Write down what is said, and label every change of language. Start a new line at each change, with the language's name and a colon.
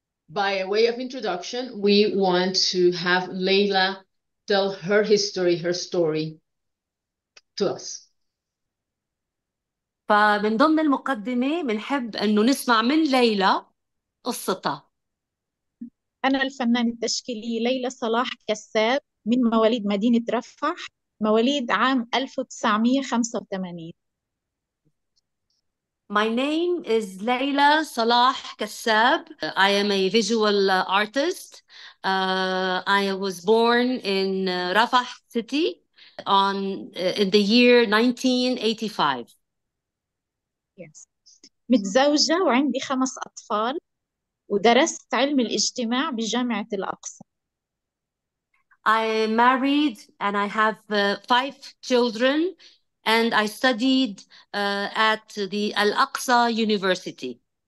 English: By way of introduction, we want to have Leila tell her history, her story to us.
Arabic: فمن ضمن المقدمة بنحب إنه نسمع من ليلى قصتها. أنا الفنانة التشكيلية ليلى صلاح كساب من مواليد مدينة رفح، مواليد عام 1985.
English: My name is Leila Salah Kassab. I am a visual artist. I was born in Rafah City in the year 1985. Yes.
Arabic: متزوجة وعندي 5 أطفال ودرست علم الاجتماع بجامعة الأقصى.
English: I am married and I have 5 children and I studied at the Al-Aqsa University.